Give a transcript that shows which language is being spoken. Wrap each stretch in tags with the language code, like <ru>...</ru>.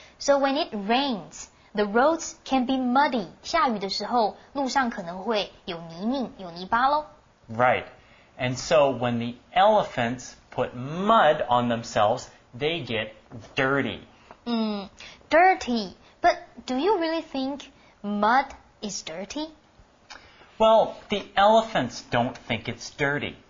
<en>So when it rains, the roads can be muddy.</en> <zh>下雨的时候，路上可能会有泥泞，有泥巴咯。</zh> <en>Right. And so when the elephants put mud on themselves, they get dirty. Dirty. But do you really think mud is dirty? Well, the elephants don't think it's dirty.</en>